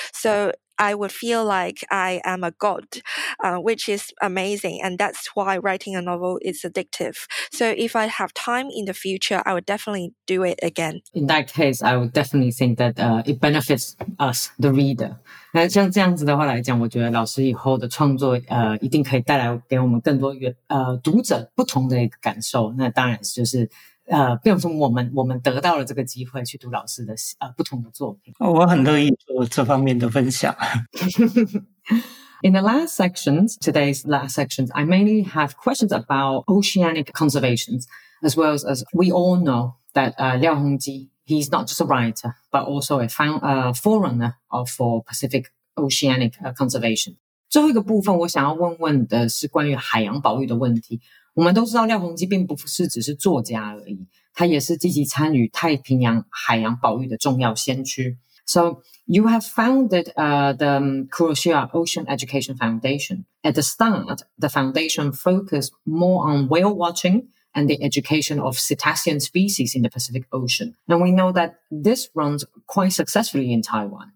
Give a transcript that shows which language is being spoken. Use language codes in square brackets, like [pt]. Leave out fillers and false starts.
[en] So I would feel like I am a god, which is amazing. And that's why writing a novel is addictive. So if I have time in the future, I would definitely do it again. In that case, I would definitely think that it benefits us, the reader. [zh] 那像这样子的话来讲，我觉得老师以后的创作一定可以带来给我们更多读者不同的一个感受。那当然就是变成我们得到了这个机会去读老师的不同的作品。我很乐意做这方面的分享。 [en] In the last sections, today's last sections, I mainly have questions about oceanic conservations. as well as we all know that Liao Hongji, he's not just a writer, but also a forerunner for Pacific Oceanic conservation. [zh] 最后一个部分我想要问问的是关于海洋保育的问题。我们都知道廖鸿基并不是只是作家而已，他也是积极参与太平洋海洋保育的重要先驱。 [en] So you have founded the Kuroshio Ocean Education Foundation. At the start, the foundation focused more on whale watching and the education of cetacean species in the Pacific Ocean. And we know that this runs quite successfully in Taiwan.